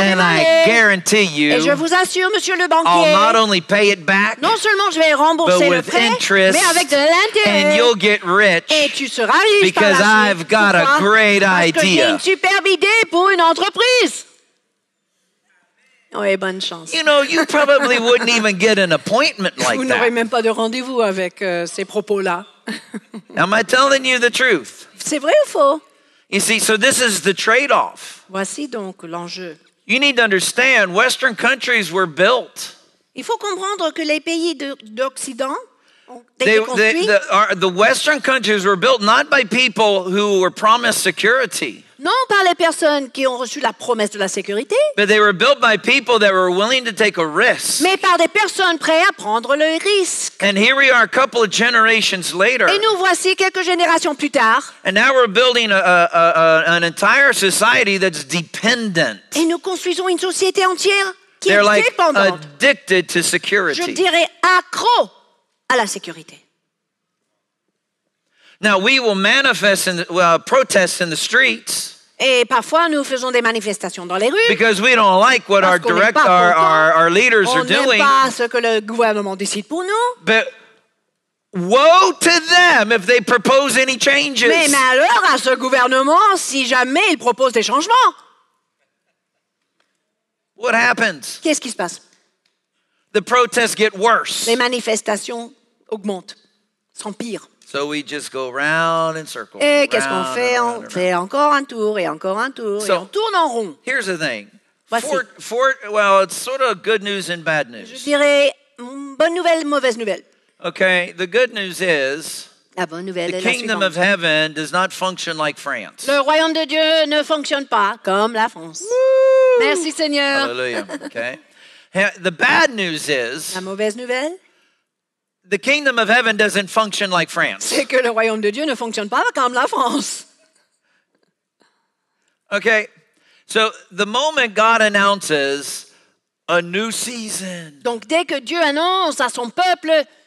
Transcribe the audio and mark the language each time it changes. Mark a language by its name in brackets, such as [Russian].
[English] And I guarantee you. [French] Et je vous assure, monsieur le banquier, [English] I'll not only pay it back. [French] Non seulement je vais rembourser [English] but [French] le [English] with [French] prêt, [English] interest, [French] mais avec de l'intérêt. [English] And you'll get rich. [French] Et tu seras riche [English] because [French] par la [English] I've got a great idea. [French] Parce que j'ai une superbe idée pour une entreprise. Oui, bonne chance. [English] You know, you probably wouldn't even get an appointment like [French] vous Vous n'aurez même pas de rendez-vous avec ces propos-là. [English] Am I telling you the truth? [French] C'est vrai ou faux? [English] You see, so this is the trade-off. [French] Voici donc l'enjeu. [English] You need to understand, Western countries were built. [French] Il faut comprendre que les pays d'Occident [English] The Western countries were built not by people who were promised security. [French] Non par les personnes qui ont reçu la promesse de la sécurité. [English] But they were built by people that were willing to take a risk. [French] Mais par des personnes prêtes à prendre le risque. [English] And here we are a couple of generations later. [French] Et nous voici quelques générations plus tard. [English] And now we're building an entire society that's dependent. [French] Et nous construisons une société entière qui [English] They're [French] est [English] like [French] dépendante. [English] Addicted to security. [French] Je dirais accro. À la sécurité. [English] Now we will manifest in protests in the streets. [French] Et parfois nous faisons des manifestations dans les rues. [English] Because we don't like what our direct our leaders are doing. [French] On n'aime pas ce que le gouvernement décide pour nous. [English] But woe to them if they propose any changes. [French] Mais malheur à ce gouvernement si jamais il propose des changements. [English] What happens? [French] Qu'est-ce qui se passe? [English] The protests get worse. [French] Les manifestations augmentent, s'empirent. [English] So we just go round in circles. [French] Et qu'est-ce qu'on fait? On fait encore un tour et encore un tour et on tourne en rond. [English] Here's the thing. [French] Voici. [English] Well, it's sort of good news and bad news. [French] Je dirais bonne nouvelle, mauvaise nouvelle. [English] Okay, the good news is [French] la bonne nouvelle [English] the kingdom [French] est la [English] of heaven does not function like France. [French] Le royaume de Dieu ne fonctionne pas comme la France. [English] Woo! [French] Merci Seigneur. [English] Hallelujah. Okay. The bad news is [French] la mauvaise nouvelle, [English] the kingdom of heaven doesn't function like France. [French] C'est que le royaume de Dieu ne fonctionne pas comme la France. [English] Okay, so the moment God announces a new season, [French] donc dès que Dieu annonce à son peuple